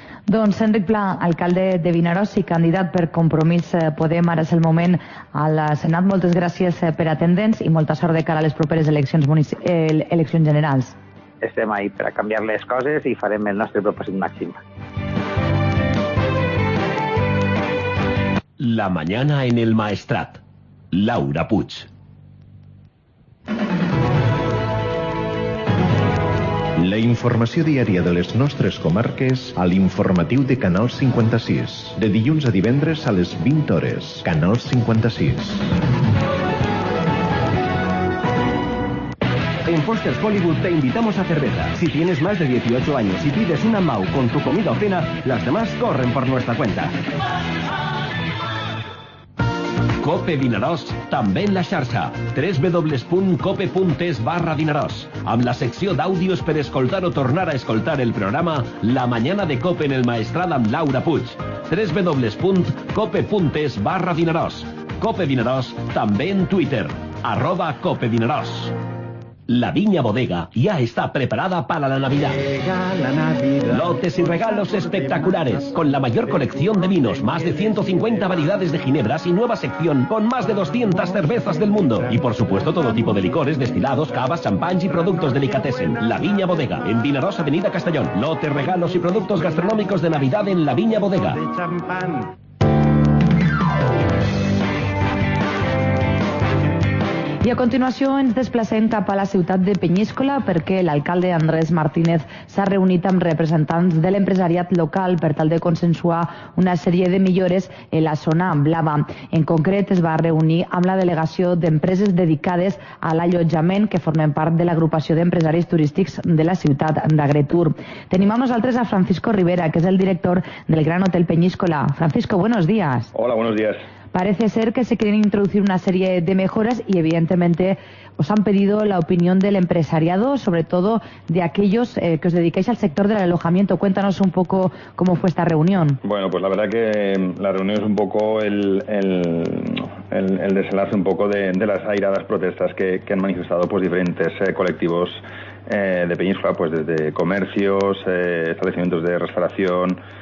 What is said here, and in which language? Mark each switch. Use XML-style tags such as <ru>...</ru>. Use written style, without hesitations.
<ca>Doncs Enric Pla, alcalde de Vinaròs i candidat per Compromís Podem, ara és el moment al Senat. Moltes gràcies per atendre'ns i molta sort de cara a les properes eleccions, eleccions generals. Estem ahí per a canviar les coses i farem el nostre propòsit màxim.</ca> <es>La mañana en el Maestrat. Laura Puig.</es> <ca>La informació diària de les nostres comarques a l'informatiu de Canal 56. De dilluns a divendres a les 20 hores. Canal 56.</ca> <es>En Foster's Hollywood te invitamos a cerveza. Si tienes más de 18 años y pides una MAU con tu comida o cena, las demás corren por nuestra cuenta.</es> <ca>Cope Vinaròs, també en la xarxa. www.cope.es/Vinaròs. Amb la secció d'àudios per escoltar o tornar a escoltar el programa La Mañana de Cope en el Maestrat amb Laura Puig. www.cope.es/Vinaròs. Cope Vinaròs, també en Twitter. @CopeVinaròs.</ca> <es>La Viña Bodega ya está preparada para la Navidad. Lotes y regalos espectaculares, con la mayor colección de vinos, más de 150 variedades de ginebras y nueva sección con más de 200 cervezas del mundo. Y por supuesto todo tipo de licores, destilados, cavas, champán y productos delicatessen. La Viña Bodega, en Vinaròs, Avenida Castellón. Lotes, regalos y productos gastronómicos de Navidad en La Viña Bodega.</es> <ca>I a continuació ens desplacem cap a la ciutat de Peníscola perquè l'alcalde Andrés Martínez s'ha reunit amb representants de l'empresariat local per tal de consensuar una sèrie de millores en la zona blava. En concret, es va reunir amb la delegació d'empreses dedicades a l'allotjament que formen part de l'agrupació d'empresaris turístics de la ciutat d'Agretur. Tenim amb nosaltres a Francisco Rivera, que és el director del Gran Hotel Peníscola.</ca> <es>Francisco, buenos días. Hola, buenos días. Parece ser que se quieren introducir una serie de mejoras y evidentemente os han pedido la opinión del empresariado, sobre todo de aquellos que os dedicáis al sector del alojamiento. Cuéntanos un poco cómo fue esta reunión. Bueno, pues la verdad que la reunión es un poco el desenlace un poco de las airadas protestas que han manifestado pues diferentes colectivos de Peníscola, pues desde comercios, establecimientos de restauración,</es>